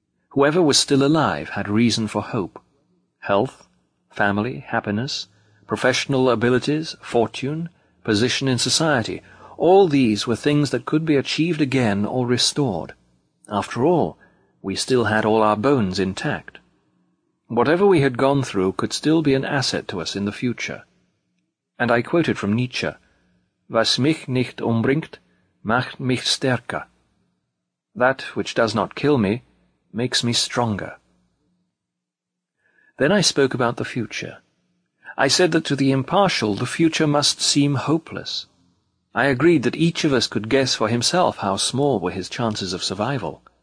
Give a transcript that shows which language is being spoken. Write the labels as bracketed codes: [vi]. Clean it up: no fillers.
[en] Whoever was still alive had reason for hope. Health, family, happiness, professional abilities, fortune, position in society, all these were things that could be achieved again or restored. After all, we still had all our bones intact. Whatever we had gone through could still be an asset to us in the future. And I quoted from Nietzsche, [de] "Was mich nicht umbringt, macht mich stärker." [en] That which does not kill me makes me stronger. Then I spoke about the future. I said that to the impartial the future must seem hopeless. I agreed that each of us could guess for himself how small were his chances of survival.